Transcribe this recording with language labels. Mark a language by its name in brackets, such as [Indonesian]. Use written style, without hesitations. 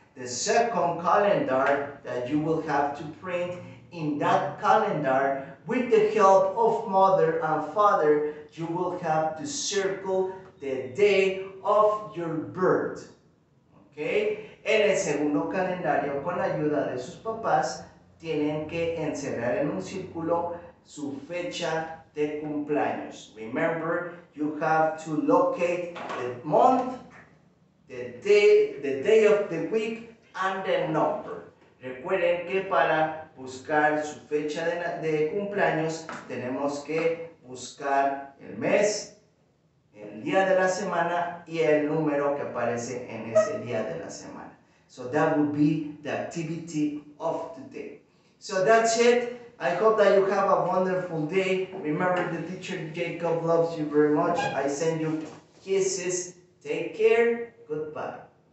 [English] The second calendar that you will have to print in that calendar, with the help of mother and father, you will have to circle the day of your birth. Okay. [Spanish] En el segundo calendario, con la ayuda de sus papás, tienen que encerrar en un círculo su fecha de cumpleaños. [English] Remember, you have to locate the month, the day of the week, and the number. [Spanish] Recuerden que para buscar su fecha de cumpleaños, tenemos que buscar el mes, el día de la semana y el número que aparece en ese día de la semana. [English] So that would be the activity of today. So that's it. I hope that you have a wonderful day. Remember, the teacher Jacob loves you very much. I send you kisses. Take care. Goodbye.